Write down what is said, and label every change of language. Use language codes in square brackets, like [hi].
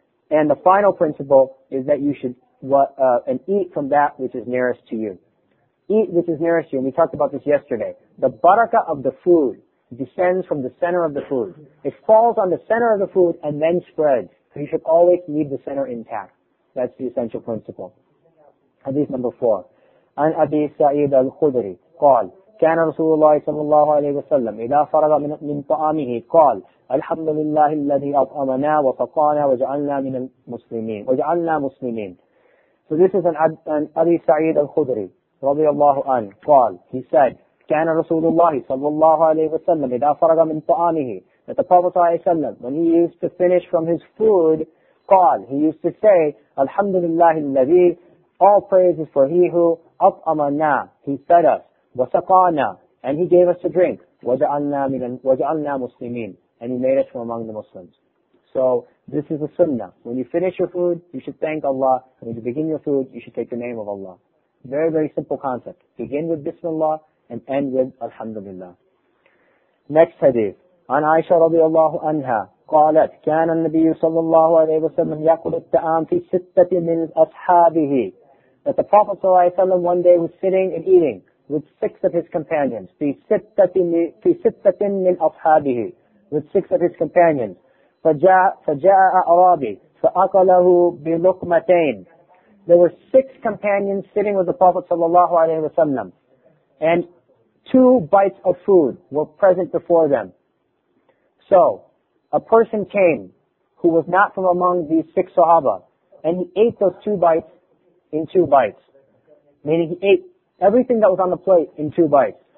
[en] And the final principle is that you should eat from that which is nearest to you. Eat which is nearest to you. And we talked about this yesterday. The barakah of the food, descends from the center of the food. It falls on the center of the food and then spreads. So you should always leave the center intact. That's the essential principle. Hadith number 4. [ar] An Abi Sa'id al-Khudri قال كان رسول الله صلى الله عليه وسلم إذا فرغ من طعامه قال الحمد لله الذي أطعمنا وسقانا وجعلنا من المسلمين وجعلنا مسلمين. [en] So this is an Abi Sa'id al-Khudri رضي الله عنه قال he said كان رسول الله صلى الله عليه وسلم إذا فرغ من طعامه that the Prophet صلى الله عليه وسلم when he used to finish from his food قال he used to say الحمد لله الذي all praises for he who أطعمنا he fed us وَسَقَانَا and he gave us to drink وَجَعَلْنَا مُسْلِمِينَ and he made us from among the Muslims. So this is a sunnah. When you finish your food, you should thank Allah. When you begin your food, you should take the name of Allah. Very, very simple concept. Begin with Bismillah and end with Alhamdulillah. Next hadith. [ar] عن عائشة رضي الله عنها قالت كان النبي صلى الله عليه وسلم يأكل الطعام في ستة من أصحابه that the Prophet صلى الله عليه وسلم one day was sitting and eating with six of his companions, في ستة من أصحابه, with six of his companions. فجاء أعرابي فأكله بلقمتين. [en] There were six companions sitting with the Prophet صلى الله عليه وسلم, and two bites of food were present before them. So, a person came who was not from among these six Sahaba, and he ate those two bites in two bites, meaning he ate everything that was on the plate in two bites.